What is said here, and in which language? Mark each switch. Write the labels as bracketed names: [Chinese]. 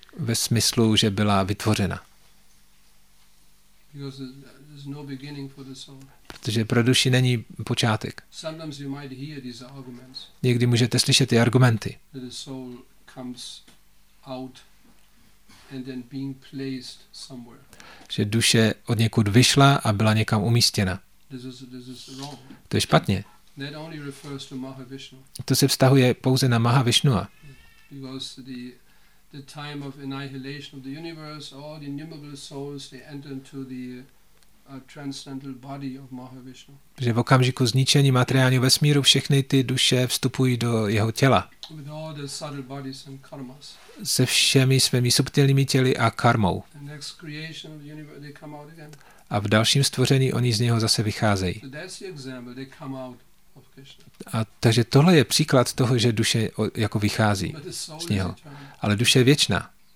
[Czech] Ve smyslu, že byla vytvořena. [English] Because there's no beginning for the soul. [Czech] Protože pro duši není počátek. [English] Sometimes you might hear these arguments. [Czech] Někdy můžete slyšet ty argumenty. [English] That the soul comes out and then being placed somewhere. [Czech] Že duše od někud vyšla a byla někam umístěna. [English] This is wrong. [Czech] To je špatně. [English] That only refers to Mahavishnu. [Czech] To se vztahuje pouze na Mahavishnua. [English] Because the time of annihilation of the universe, all the innumerable souls, they enter into the transcendental body of Mahavishnu. [Czech] Protože v okamžiku zničení materiálního vesmíru všechny ty duše vstupují do jeho těla. [English] With all the subtle bodies and karmas. [Czech] Se všemi svými subtilními těly a karmou. [English] And next creation of the universe, they come out again. [Czech] A v dalším stvoření oni z něho zase vycházejí. [English] So that's the example, they come out of Krishna. [Czech] A takže tohle je příklad toho, že duše jako vychází z něho. Ale duše je věčná.